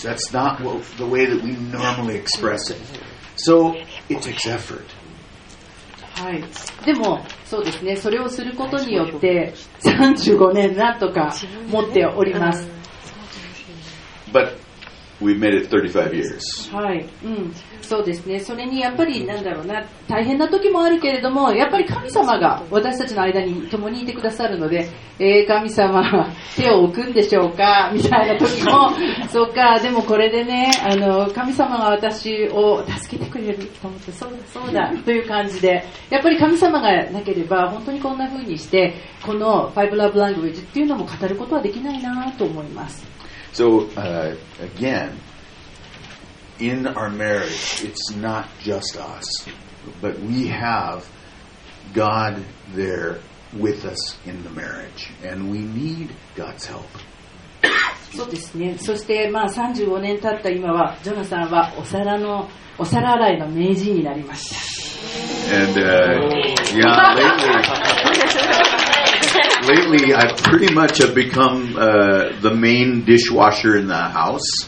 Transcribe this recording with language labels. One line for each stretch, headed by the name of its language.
English: That's not the way that we normally express it. So it takes effort.
Japanese: はい、でもそうですね、それをすることによって35年なんとか持っております。
English: But we've made it 35 years.
Japanese: はい、うん、そうですね、それにやっぱりなんだろうな、大変な時もあるけれども、やっぱり神様が私たちの間に共にいてくださるので、神様手を置くんでしょうかみたいな時もそうか、でもこれでね、あの神様が私を助けてくれると思って、そうだという感じで、やっぱり神様がなければ本当にこんな風にしてこの Five Love Language っていうのも語ることはできないなと思います。
English: So, again, in our marriage, it's not just us, but we have God there with us in the marriage, and we need God's help.
Japanese: そうですね。そして、まあ、35年経った今は、ジョナサンはお皿洗いの名人になりました。
English: And, yeah, lately, I pretty much have become the main dishwasher in the house.